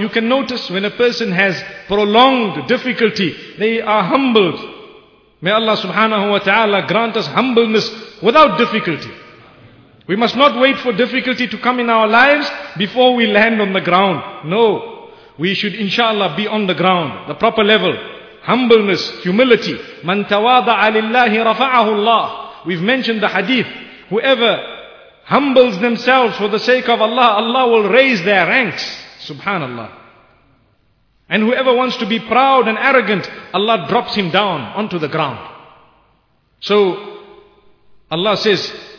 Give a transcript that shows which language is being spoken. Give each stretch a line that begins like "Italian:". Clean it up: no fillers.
English: You can notice when a person has prolonged difficulty, they are humbled. May Allah subhanahu wa ta'ala grant us humbleness without difficulty. We must not wait for difficulty to come in our lives before we land on the ground. No, we should inshallah be on the ground, the proper level. Humbleness, humility.
Arabic: مَن تَوَاضَعَ لِلَّهِ رَفَعَهُ اللَّهِ
English: We've mentioned the hadith. Whoever humbles themselves for the sake of Allah, Allah will raise their ranks. Subhanallah. And whoever wants to be proud and arrogant, Allah drops him down onto the ground. So, Allah says,